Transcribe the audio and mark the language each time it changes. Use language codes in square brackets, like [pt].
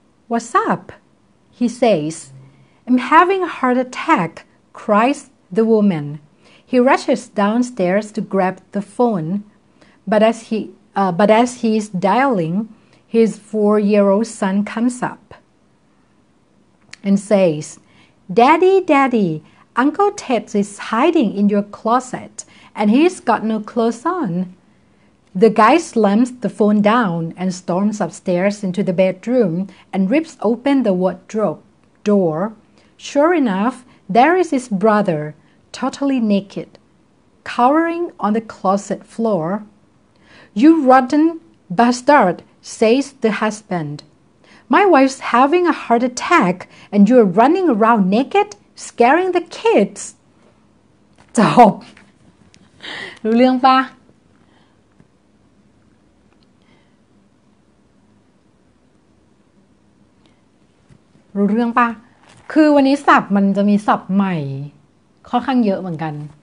[en] what's up he says I'm having a heart attack cries the woman he rushes downstairs to grab the phone but as he's dialing, his 4-year-old son comes up and says, Daddy, Daddy, Uncle Ted is hiding in your closet and he's got no clothes on. The guy slams the phone down and storms upstairs into the bedroom and rips open the wardrobe door. Sure enough, there is his brother, totally naked, cowering on the closet floor. You rotten bastard, says the husband. My wife's having a heart attack and you're running around naked, scaring the kids. [th] จบรู้เรื่องป่ะรู้เรื่องป่ะคือวันนี้ศัพท์มันจะมีศัพท์ใหม่ค่อนข้างเยอะเหมือนกัน